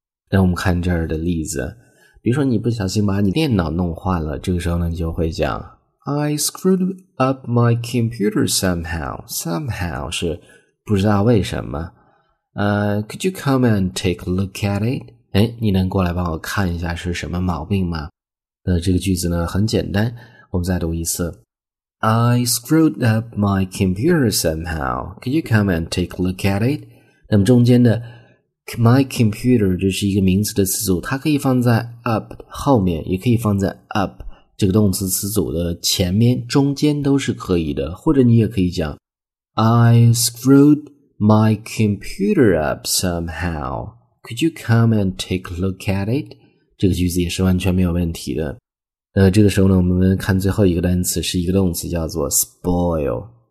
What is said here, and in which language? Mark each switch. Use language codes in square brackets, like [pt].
[zh] 那我们看这儿的例子，比如说你不小心把你电脑弄坏了，这个时候呢你就会讲 [en] I screwed up my computer somehow [zh] 是不知道为什么 [en] Could you come and take a look at it? [zh] 诶，你能过来帮我看一下是什么毛病吗？那这个句子呢很简单，我们再读一次。 [en] I screwed up my computer somehow. Could you come and take a look at it? [zh] 那么中间的 my computer 就是一个名词的词组，它可以放在 up 后面，也可以放在 up 这个动词词组的前面，中间都是可以的。或者你也可以讲 [en] I screwed my computer up somehow. Could you come and take a look at it? [zh] 这个句子也是完全没有问题的。这个时候呢我们看最后一个单词，是一个动词，叫做 spoil。